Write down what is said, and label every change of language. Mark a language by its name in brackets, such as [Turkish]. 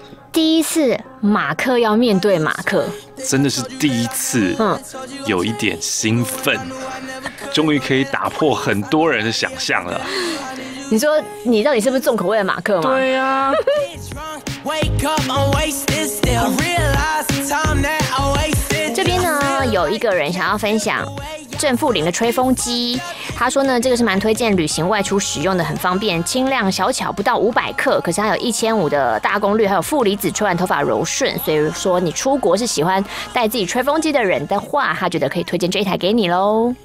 [Chinese] 第一次马克要面对马克，真的是第一次，有一点兴奋，终于可以打破很多人的想象了。你说你到底是不是重口味的马克吗？对呀、啊。 [English] Wake up, I'm wasted still. I realize the time that I wasted. [Chinese] 这边呢，有一个人想要分享正负零的吹风机。他说呢，这个是蛮推荐旅行外出使用的，很方便，轻量小巧，不到500克，可是它有1500的大功率，还有负离子，吹完头发柔顺。所以说，你出国是喜欢带自己吹风机的人的话，他觉得可以推荐这一台给你喽。